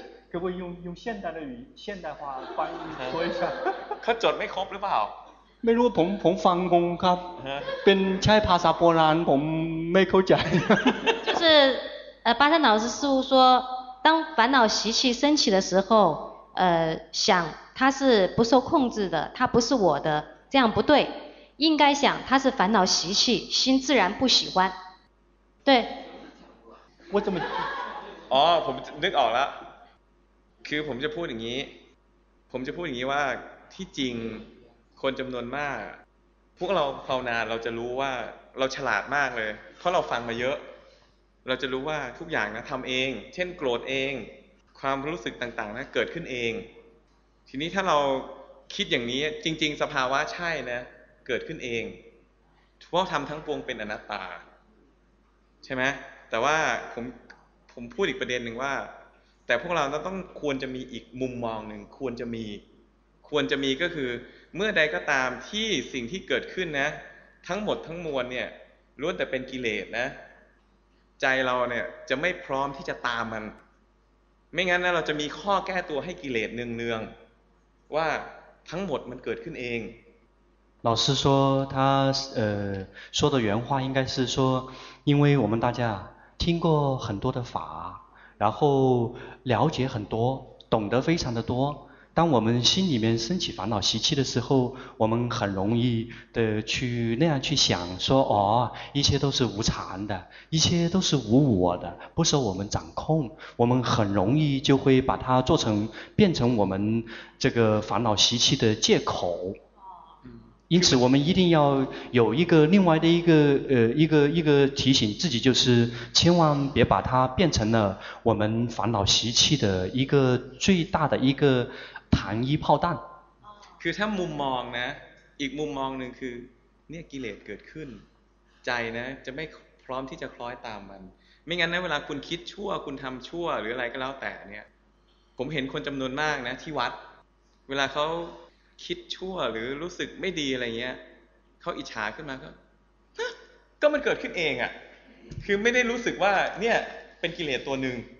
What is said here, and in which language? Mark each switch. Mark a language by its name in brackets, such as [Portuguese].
[Chinese] 可不可以用现代的语现代化翻译说一下 [Thai] 他จดไม่ครบหรือเปล่า ไม่รู้ผมฟังงงครับเป็นใช้ภาษาโบราณผมไม่เข้าใจ [Chinese] 就是巴山老师师父说当烦恼习气升起的时候想它是不受控制的它不是我的这样不对应该想它是烦恼习气心自然不喜欢对我怎么 [Thai] 哦ผมนึกออกแล้วคือผมจะพูดอย่างนี้ว่าที่จริงคนจำนวนมากพวกเราภาวนาเราจะรู้ว่าเราฉลาดมากเลยเพราะเราฟังมาเยอะเราจะรู้ว่าทุกอย่างนะทำเองเช่นโกรธเองความรู้สึกต่างๆนะเกิดขึ้นเองทีนี้ถ้าเราคิดอย่างนี้จริงๆสภาวะใช่นะเกิดขึ้นเองเพราะทำทั้งปวงเป็นอนัตตา ใช่ไหมแต่ว่าผมพูดอีกประเด็นหนึ่งว่าแต่พวกเราต้องควรจะมีอีกมุมมองหนึ่งควรจะมีก็คือเมื่อใดก็ตามที่สิ่งที่เกิดขึ้นนะทั้งหมดทั้งมวลเนี่ยล้วนแต่เป็นกิเลสนะใจเราเนี่ยจะไม่พร้อมที่จะตามมันไม่งั้นนะเราจะมีข้อแก้ตัวให้กิเลสเนืองๆว่าทั้งหมดมันเกิดขึ้นเอง [Chinese] 老师说他说的原话应该是说因为我们大家听过很多的法然后了解很多懂得非常的多当我们心里面升起烦恼习气的时候我们很容易的去那样去想说哦，一切都是无常的一切都是无我的不受我们掌控我们很容易就会把它变成我们这个烦恼习气的借口因此我们一定要有一个另外的一个一个提醒自己，就是千万别把它变成了我们烦恼习气的一个最大的一个糖衣炮弹。 [Thai] คือถ้ามุมมองนะอีกมุมมองหนึ่งคือเนี่ยกิเลสเกิดขึ้นใจนะจะไม่พร้อมที่จะคล้อยตามมันไม่งั้นนะเวลาคุณคิดชั่วคุณทำชั่วหรืออะไรก็แล้วแต่เนี่ยผมเห็นคนจำนวนมากนะที่วัดเวลาเขาคิดชั่วหรือรู้สึกไม่ดีอะไรเงี้ยเขาอิจฉาขึ้นมาก็มันเกิดขึ้นเองอ่ะคือไม่ได้รู้สึกว่าเนี่ยเป็นกิเลสตัวหนึ่ง